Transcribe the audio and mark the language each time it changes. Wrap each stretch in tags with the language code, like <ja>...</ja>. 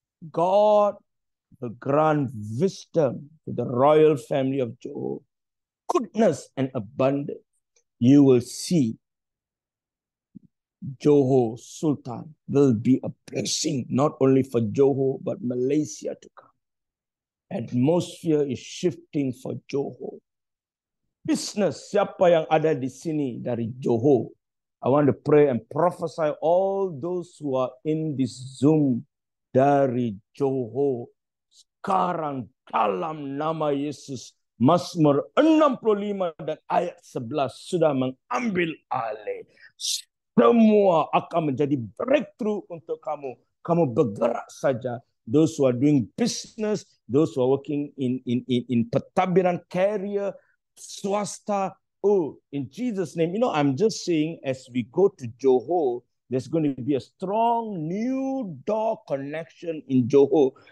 <en>God will grant wisdom to the royal family of Johor. Goodness and abundance. You will see Johor Sultan will be a blessing, not only for Johor, but Malaysia to come. Atmosphere is shifting for Johor.</en> <ms>Business, siapa yang ada di sini dari Johor?</ms> <en>I want to pray and prophesy all those who are in this Zoom</en> <ms>dari Johor. Sekarang dalam nama Yesus, Mazmur 65 dan ayat 11 sudah mengambil alih. Semua akan menjadi breakthrough untuk kamu. Kamu bergerak saja.</ms> <en>Those who are doing business, those who are working in</en> <ms>pertabiran</ms> <en>carrier, swasta, oh, in Jesus' name. You know, I'm just saying, as we go to Johor, there's going to be a strong new door connection in Johor.</en>